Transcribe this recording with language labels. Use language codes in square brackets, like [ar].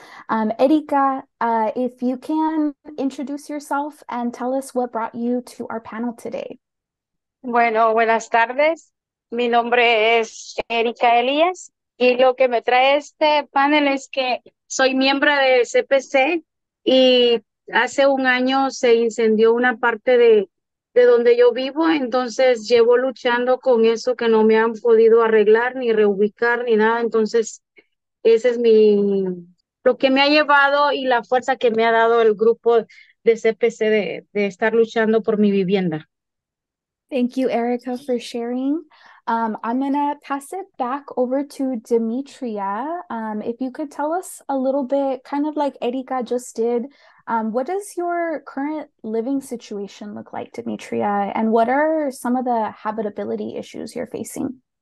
[en] Erika, if you can introduce yourself and tell us what brought you to our panel today. [es] Bueno, buenas tardes. Mi nombre es Erika Elias. Y lo que me trae este panel es que soy miembro de CPC y hace un año se incendió una parte de donde yo vivo, entonces llevo luchando con eso que no me han podido arreglar ni reubicar ni nada, entonces ese es lo que me ha llevado y la fuerza que me ha dado el grupo de CPC de estar luchando por mi vivienda. [en] Thank you, Erica, for sharing. I'm gonna pass it back over to Demetria. If you could tell us a little bit, kind of like Erika just did, what does your current living situation look like, Demetria? And what are some of the habitability issues you're facing?